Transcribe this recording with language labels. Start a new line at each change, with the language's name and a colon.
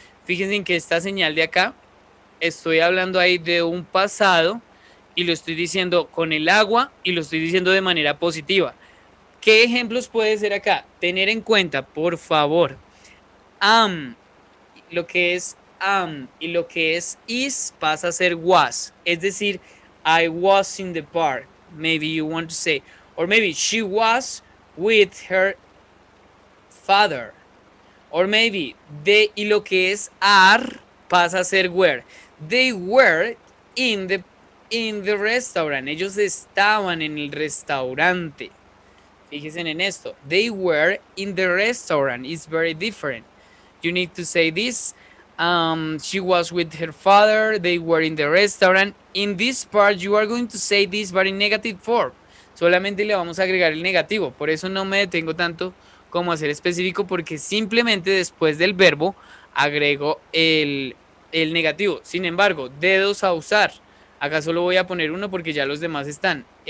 Spanish: Fíjense en que esta señal de acá, estoy hablando ahí de un pasado, y lo estoy diciendo con el agua, y lo estoy diciendo de manera positiva. ¿Qué ejemplos puede ser acá? Tener en cuenta, por favor, lo que es am y lo que es is pasa a ser was. Es decir,
English: I was in the park. Maybe you want to say. Or maybe she was with her father. Or maybe they
Spanish: y lo que es are pasa a ser were.
English: They were in the restaurant.
Spanish: Ellos estaban en el restaurante. Fíjense en esto.
English: They were in the restaurant. It's very different. You need to say this. She was with her father. They were in the restaurant. In this part, you are going to say this, but in negative form.
Spanish: Solamente le vamos a agregar el negativo. Por eso no me detengo tanto como a ser específico, porque simplemente después del verbo agrego el negativo. Sin embargo, dedos a usar. Acá solo voy a poner uno porque ya los demás están.